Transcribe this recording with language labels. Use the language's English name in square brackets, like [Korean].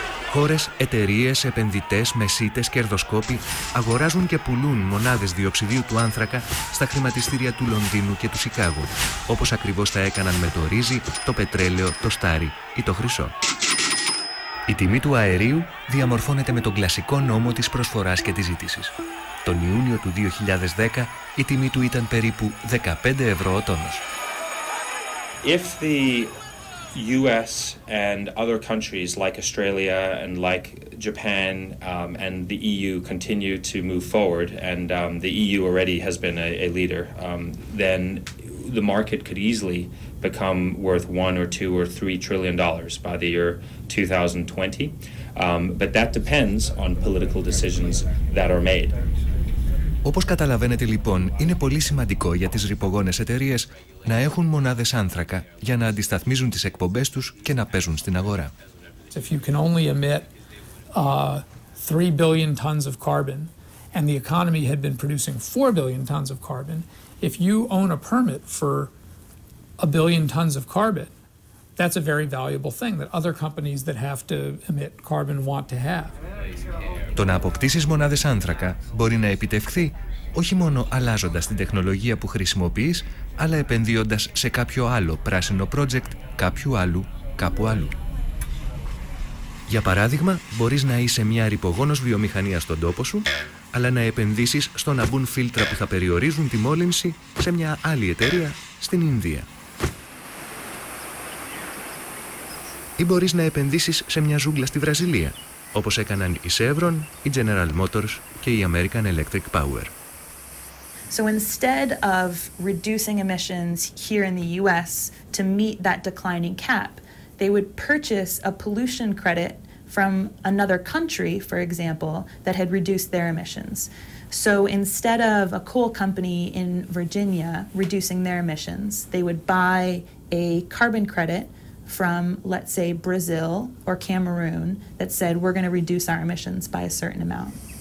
[Greek] Χώρες, εταιρείες, επενδυτές, μεσίτες, κερδοσκόποι αγοράζουν και πουλούν μονάδες διοξιδίου του άνθρακα στα χρηματιστήρια του Λονδίνου και του Σικάγου, όπως ακριβώς τα έκαναν με το ρύζι, το πετρέλαιο, το στάρι ή το χρυσό. Η τιμή του αερίου διαμορφώνεται με τον κλασικό νόμο της προσφοράς και της ζήτησης. Τον Ιούνιο του 2010 η τιμή του ήταν περίπου 15 ευρώ ο τόνος. [English] If the US and other countries like Australia and like Japan and the EU continue to move forward, and the EU already has been a leader, then the market could easily become worth $1, $2, or $3 trillion by the year 2020. But that depends on political decisions that are made. [Greek] Όπως καταλαβαίνετε λοιπόν, είναι πολύ σημαντικό για τις ρυπογόνες εταιρείες να έχουν μονάδες άνθρακα για να αντισταθμίζουν τις εκπομπές τους και να παίζουν στην αγορά. [English] If you can only emit 3 billion tons of carbon and the economy had been producing 4 billion tons of carbon, if you own a permit for a billion tons of carbon, that's a very valuable thing that other companies that have to emit carbon want to have. [Greek] Το να αποκτήσεις μονάδες άνθρακα μπορεί να επιτευχθεί όχι μόνο αλλάζοντας την τεχνολογία που χρησιμοποιείς, αλλά επενδύοντας σε κάποιο άλλο πράσινο project κάποιου άλλου κάπου αλλού. Για παράδειγμα, μπορείς να είσαι μια ρυπογόνος βιομηχανία στον τόπο σου, αλλά να επενδύσεις στο να μπουν φίλτρα που θα περιορίζουν τη μόλυνση σε μια άλλη εταιρεία στην Ινδία. Ή μπορείς να επενδύσεις σε μια ζούγκλα στη Βραζιλία, όπως έκαναν η Chevron, η General Motors και η American Electric Power. [English] So instead of reducing emissions here in the US to meet that declining cap, they would purchase a pollution credit from another country, for example, that had reduced their emissions. So instead of a coal company in Virginia reducing their emissions, they would buy a carbon credit from, let's say, Brazil or Cameroon that said, we're going to reduce our emissions by a certain amount.